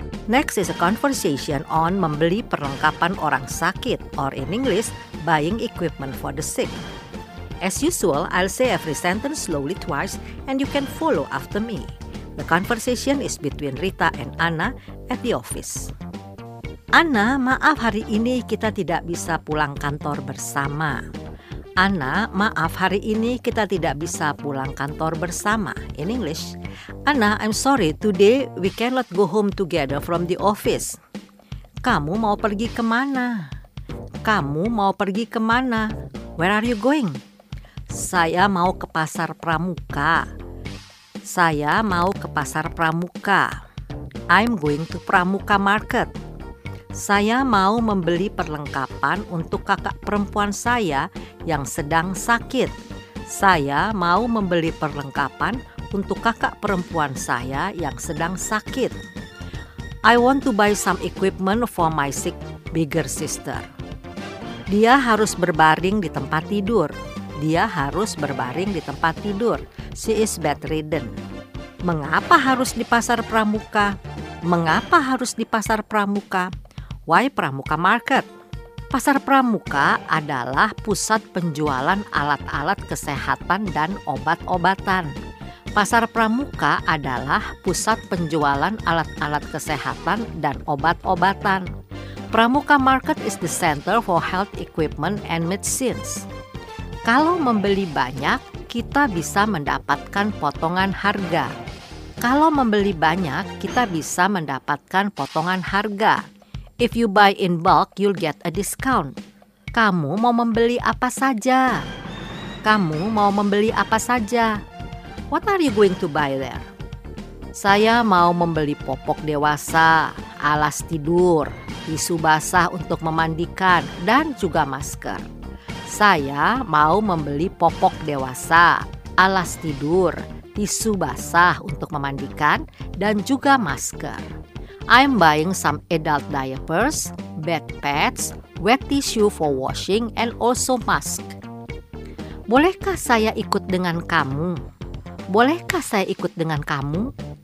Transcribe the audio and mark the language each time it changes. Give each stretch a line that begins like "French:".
English: Next is a conversation on
Indonesian: membeli perlengkapan orang sakit,
English: or in English, buying equipment for the sick. As usual, I'll say every sentence slowly twice, and you can follow after me. The conversation is between Rita and Anna at the office.
Indonesian: Anna, maaf hari ini kita tidak bisa pulang kantor bersama. Anna, maaf hari ini kita tidak bisa pulang kantor bersama.
English: In English, Anna, I'm sorry, today we cannot go home together from the office.
Indonesian: Kamu mau pergi kemana? Kamu mau pergi kemana?
English: Where are you going?
Indonesian: Saya mau ke Pasar Pramuka. Saya mau ke Pasar Pramuka.
English: I'm going to Pramuka Market.
Indonesian: Saya mau membeli perlengkapan untuk kakak perempuan saya yang sedang sakit. Saya mau membeli perlengkapan untuk kakak perempuan saya yang sedang sakit.
English: I want to buy some equipment for my sick bigger sister.
Indonesian: Dia harus berbaring di tempat tidur. Dia harus berbaring di tempat tidur.
English: She is bedridden.
Indonesian: Mengapa harus di Pasar Pramuka? Mengapa harus di Pasar Pramuka?
English: Why Pramuka Market?
Indonesian: Pasar Pramuka adalah pusat penjualan alat-alat kesehatan dan obat-obatan. Pasar Pramuka adalah pusat penjualan alat-alat kesehatan dan obat-obatan.
English: Pramuka Market is the center for health equipment and medicines.
Indonesian: Kalau membeli banyak, kita bisa mendapatkan potongan harga. Kalau membeli banyak, kita bisa mendapatkan potongan harga.
English: If you buy in bulk, you'll get a discount.
Indonesian: Kamu mau membeli apa saja? Kamu mau membeli apa saja?
English: What are you going to buy there?
Indonesian: Saya mau membeli popok dewasa, alas tidur, tisu basah untuk memandikan, dan juga masker. Saya mau membeli popok dewasa, alas tidur, tisu basah untuk memandikan, dan juga masker.
English: I'm buying some adult diapers, bed pads, wet tissue for washing, and also mask.
Indonesian: Bolehkah saya ikut dengan kamu? Bolehkah saya ikut dengan kamu?